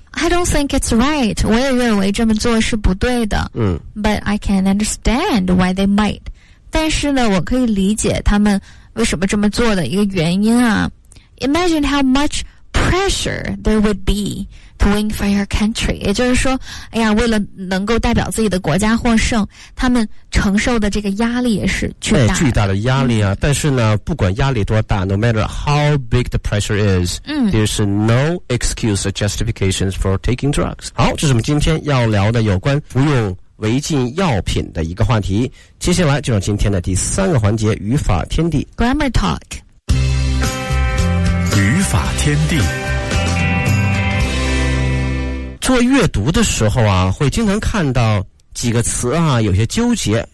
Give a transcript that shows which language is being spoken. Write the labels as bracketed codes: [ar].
[en] I don't think it's right， [zh] 我也认为这么做是不对的。 [en] But I can understand why they might， [zh] 但是呢我可以理解他们为什么这么做的一个原因啊。 [en] Imagine how much pressure there would be to win for your country. [zh] 也就是说，哎呀，为了能够代表自己的国家获胜，他们承受的这个压力也是巨大的。巨大的压力啊！但是呢，不管压力多大 [en] ，no matter how big the pressure is, there's no excuse or justifications for taking drugs. [zh] 好，这是我们今天要聊的有关服用违禁药品的一个话题。接下来就是今天的第三个环节——语法天地 [en] ，Grammar Talk。 [zh] 语法天地。做阅读的时候啊，会经常看到几个词啊，有些纠结。